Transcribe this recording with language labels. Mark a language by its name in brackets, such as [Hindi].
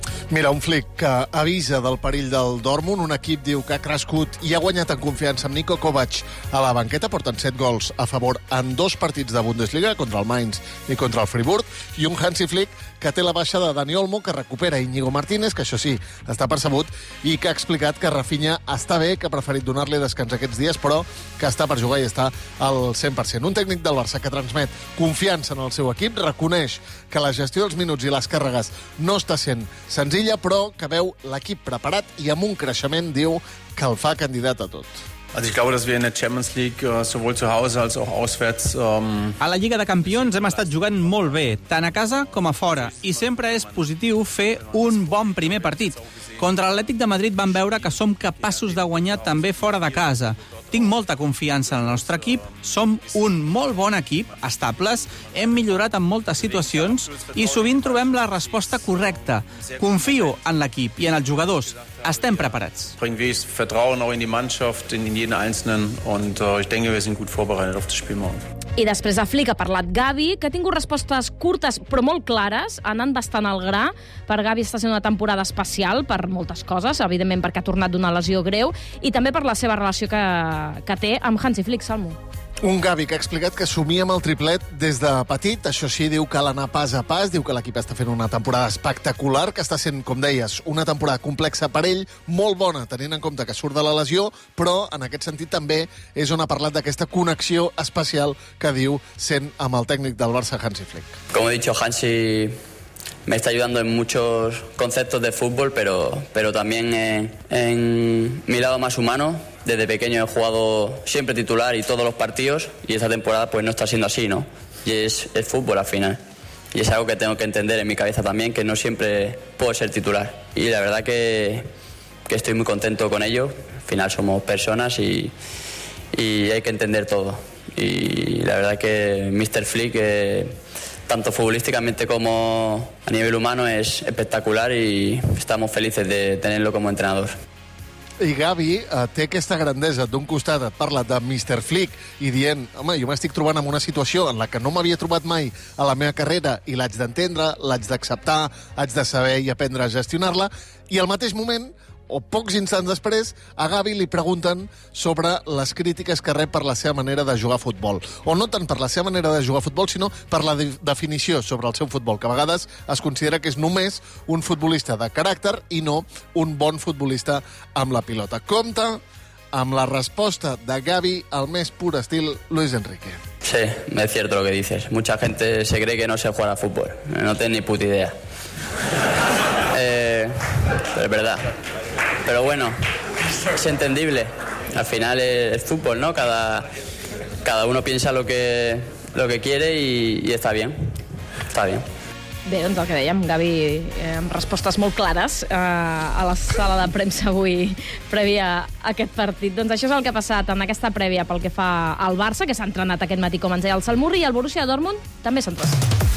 [Catalan] Mira, un Flick que avisa del perill del Dortmund, un equip, diu, que ha crescut i ha guanyat en confiança amb Niko Kovac a la banqueta, porten 7 gols a favor en 2 partits de Bundesliga, contra el Mainz i contra el Friburg, i un Hansi Flick que té la baixa de Dani Olmo, que recupera Íñigo Martínez, que això sí, està percebut, i que ha explicat que Rafinha està bé, que ha preferit donar-li descans aquests dies, però que està per jugar i està al 100%. Un tècnic del Barça que transmet confiança en el seu equip, reconeix que la gestió dels minuts i les càrregues no està sent senzilla, però que veu l'equip preparat i amb un creixement, diu, que el fa candidat a tot. [German] Also ich glaube, dass wir in der Champions League sowohl zu Hause als auch auswärts [Catalan] A la Lliga de Campions hem estat jugant molt bé, tant a casa com a fora, i sempre és positiu fer un bon primer partit. Contra l'Atlètic de Madrid vam veure que som capaços de guanyar també fora de casa. Tinc molta confiança en el nostre equip, som un molt bon equip, estables, hem millorat en moltes situacions i sovint trobem la resposta correcta. Confio en l'equip i en els jugadors. Estem preparats. [German] Bringen wir Vertrauen auch in die Mannschaft, in jeden Einzelnen, und ich denke, wir sind gut vorbereitet auf das Spiel morgen. [Catalan] I després de Flick ha parlat Gavi, que ha tingut respostes curtes però molt clares, anant bastant al gra. Per Gavi està sent una temporada especial per moltes coses, evidentment perquè ha tornat d'una lesió greu, i també per la seva relació que té amb Hansi Flick, Salmo. Un Gavi que ha explicat que somia amb el triplet des de petit. Això sí, diu que l'anar pas a pas, diu que l'equip està fent una temporada espectacular, que està sent, com deies, una temporada complexa per ell, molt bona, tenint en compte que surt de la lesió, però en aquest sentit també és on ha parlat d'aquesta connexió especial que diu sent amb el tècnic del Barça, Hansi Flick. [Spanish] Como he dicho, Hansi me está ayudando en muchos conceptos de fútbol, pero también en mi lado más humano. Desde pequeño he jugado siempre titular y todos los partidos, y esta temporada pues no está siendo así, ¿no? Y es fútbol al final. Y es algo que tengo que entender en mi cabeza también, que no siempre puedo ser titular. Y la verdad que estoy muy contento con ello. Al final somos personas y hay que entender todo. Y la verdad que Mr. Flick, tanto futbolísticamente como a nivel humano, es espectacular y estamos felices de tenerlo como entrenador. [Catalan] I Gavi té aquesta grandesa. D'un costat et parla de Mr. Flick i dient, home, jo m'estic trobant en una situació en la que no m'havia trobat mai a la meva carrera i l'haig d'entendre, l'haig d'acceptar, haig de saber i aprendre a gestionar-la. I al mateix moment, o pocs instants després, a Gavi li pregunten sobre les crítiques que rep per la seva manera de jugar a futbol. O no tant per la seva manera de jugar a futbol, sinó per la definició sobre el seu futbol, que a vegades es considera que és només un futbolista de caràcter i no un bon futbolista amb la pilota. Compte amb la resposta de Gavi al més pur estil Luis Enrique. [Spanish] Sí, es cierto lo que dices. Mucha gente se cree que no sé jugar a futbol. No tengo ni puta idea. Pero es verdad. Pero bueno, es entendible. Al final es fútbol, ¿no? Cada uno piensa lo que quiere y está bien. Está bien. [Catalan] Bé, doncs el que dèiem, Gavi, amb respostes molt clares a la sala de premsa avui prèvia a aquest partit. Doncs això és el que ha passat en aquesta prèvia pel que fa al Barça, que s'ha entrenat aquest matí, com ens deia el Salmurri, i el Borussia Dortmund també s'ha entrenat.